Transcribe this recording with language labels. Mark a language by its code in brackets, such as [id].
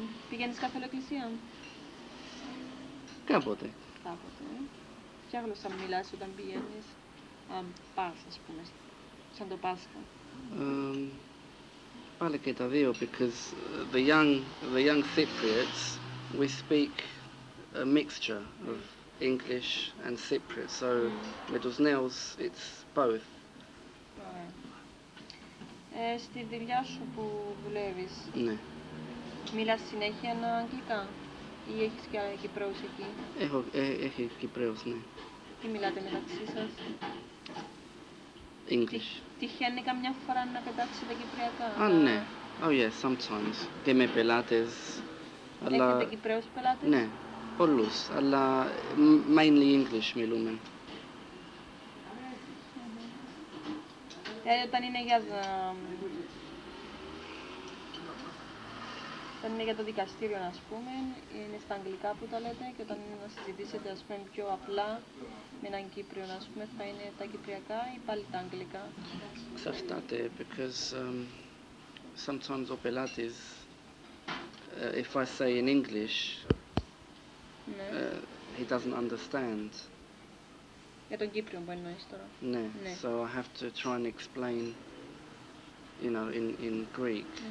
[el] Πηγαίνεις κάθε εκκλησία? Κάποτε. Κάποτε. Ποια γλώσσα μιλάς όταν πηγαίνεις, αν πας, ας πούμε, σαν το Πάσχα? Πάλι και τα δύο, [en] because the young Cypriots, we speak a mixture of English and Cypriot, so with those nails, it's both. [el] Στη δουλειά σου που δουλεύεις, ναι. Μιλάς συνέχεια αγγλικά ή έχεις και Κυπρέους εκεί? Έχει Κυπρέους, ναι. Τι μιλάτε μεταξύ σας? [en] English. [el] Τυχαίνει καμιά φορά να πετάξει τα κυπριακά? Α, ναι. [en] Oh yeah, sometimes. [el] Και με πελάτες. Έχετε αλλά... Κυπρέους πελάτες? Ναι. Πολλούς, αλλά [en] mainly English [el] μιλούμε. Όταν είναι για το... Όταν είναι για το δικαστήριο, ας πούμε, είναι στα αγγλικά που τα λέτε και όταν είναι να συζητήσετε, ας πούμε, πιο απλά με έναν Κύπριο, ας πούμε, θα είναι τα κυπριακά ή πάλι τα αγγλικά? Εξαρτάται, [en] because sometimes [el] ο πελάτης, [en] if I say in English, he doesn't understand. [el] Για τον Κύπριο που εννοείς τώρα. Ναι. [en] So I have to try and explain, you know, in Greek.